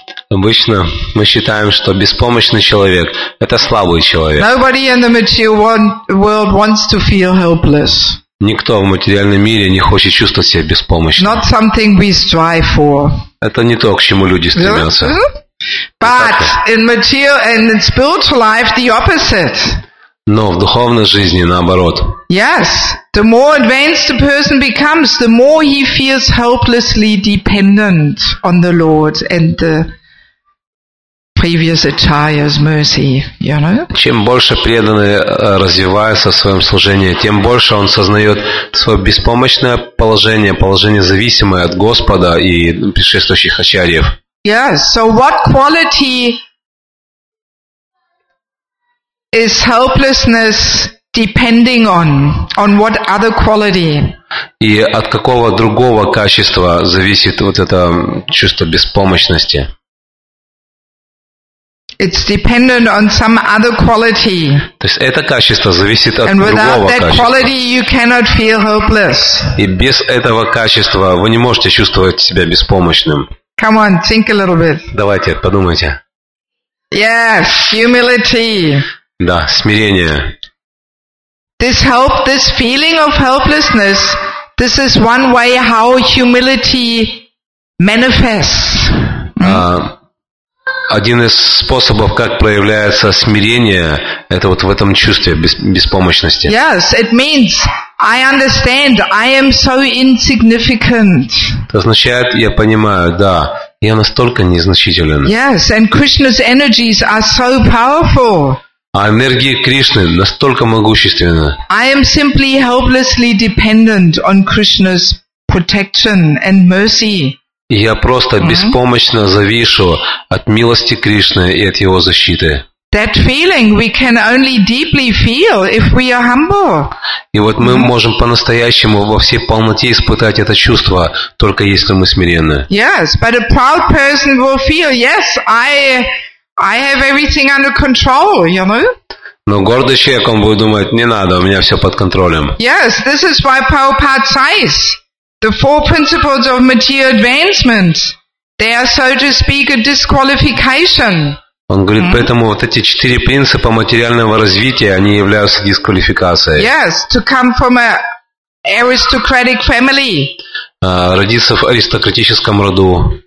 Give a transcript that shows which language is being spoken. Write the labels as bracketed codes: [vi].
[ru] Обычно мы считаем, что беспомощный человек – это слабый человек. [en] Nobody in the material world wants to feel helpless. [ru] Никто в материальном мире не хочет чувствовать себя беспомощным. [en] Not something we strive for. [ru] Это не то, к чему люди стремятся. [en] But in material and in spiritual life, the opposite. [ru] Но в духовной жизни наоборот. [en] Yes, the more advanced a person becomes, the more he feels helplessly dependent on the Lord and the previous acharya's mercy. You know. [ru] Чем больше преданный развивается в своем служении, тем больше он сознает свое беспомощное положение, положение зависимое от Господа и предшествующих ачарьев. [en] Yes. So what quality is helplessness depending on what other quality. [ru] И от какого другого качества зависит вот это чувство беспомощности? [en] It's dependent on some other quality. [ru] То есть это качество зависит от другого качества. [en] And without that quality, you cannot feel hopeless. [ru] И без этого качества вы не можете чувствовать себя беспомощным. [en] Come on, think a little bit. [ru] Давайте подумайте. [en] Yes, humility. [ru] Да, смирение. [en] This hope, this feeling of helplessness, this is one way how humility manifests. [ru] Один из способов, как проявляется смирение, это вот в этом чувстве беспомощности. [en] Yes, it means I understand I am so insignificant. [ru] Это означает, я понимаю, да, я настолько незначителен. [en] Yes, and Krishna's energies are so powerful. [ru] А энергии Кришны настолько могущественны. [en] I am simply helplessly dependent on Krishna's protection and mercy. [ru] Я просто беспомощно завишу от милости Кришны и от Его защиты. [en] That feeling we can only deeply feel if we are humble. [ru] И вот мы можем по-настоящему во всей полноте испытать это чувство, только если мы смиренны. [en] Yes, but a proud person will feel, yes, I have everything under control, you know? [ru] Но гордый человек, он будет думать, не надо, у меня все под контролем. [en] Yes, this is why Prabhupada says, the four principles of material advancement, they are, so to speak, a disqualification. [ru] Он говорит, поэтому вот эти четыре принципа материального развития, они являются дисквалификацией. [en] Yes, to come from an aristocratic family. [ru] Родиться в аристократическом роду.